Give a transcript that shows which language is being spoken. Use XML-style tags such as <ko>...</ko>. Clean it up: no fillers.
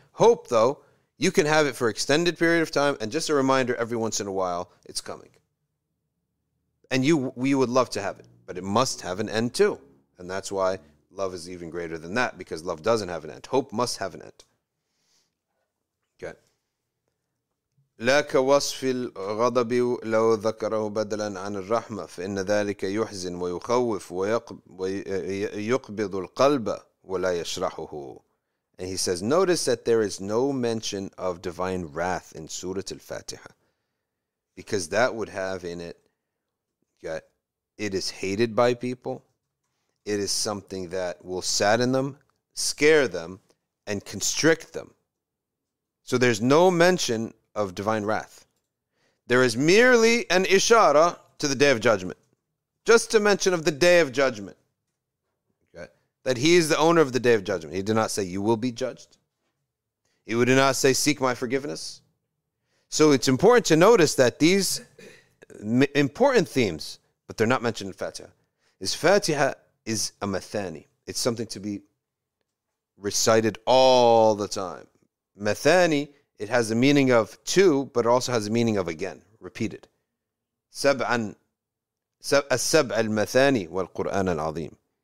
<en>Hope, though, you can have it for an extended period of time, and just a reminder, every once in a while, it's coming. And we would love to have it, but it must have an end too. And that's why love is even greater than that, because love doesn't have an end. Hope must have an end.</en> <ar>لك وصف الغضب لو ذكره بدلا عن الرحمة فإن ذلك يحزن ويخوف ويقبض القلب ولا يشرحه.</ar> <en>And he says, notice that there is no mention of divine wrath in Surah Al-Fatiha, because that would have in it that it is hated by people, it is something that will sadden them, scare them, and constrict them. So there's no mention of divine wrath. There is merely an ishara to the Day of Judgment. Just to mention of the Day of Judgment. Okay. That he is the owner of the Day of Judgment. He did not say, you will be judged. He did not say, seek my forgiveness. So it's important to notice that these important themes, but they're not mentioned in Fatiha. Is Fatiha is a mathani. It's something to be recited all the time. Mathani, it has the meaning of two, but it also has the meaning of again, repeated.</en> <ar>السبع المثاني والقرآن العظيم.</ar>